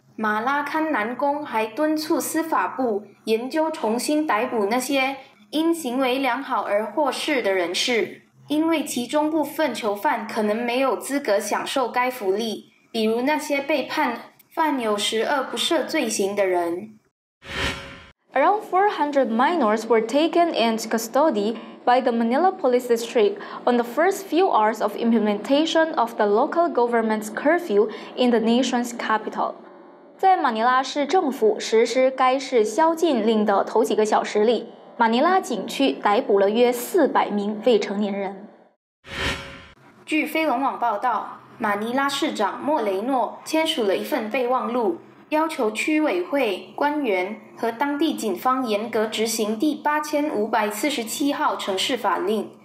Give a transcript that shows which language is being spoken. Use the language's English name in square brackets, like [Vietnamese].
[Chinese] 马拉堪南宫还敦促司法部研究重新逮捕那些因行为良好而获释的人士，因为其中部分囚犯可能没有资格享受该福利，比如那些被判犯有十恶不赦罪行的人。 [English] Around 400 minors were taken into custody by the Manila Police District on the first few hours of implementation of the local government's curfew in the nation's capital. [Chinese] 在马尼拉市政府实施该市宵禁令的头几个小时里，马尼拉警区逮捕了约400名未成年人。据飞龙网报道，马尼拉市长莫雷诺签署了一份备忘录，要求区委会官员和当地警方严格执行第8547号城市法令。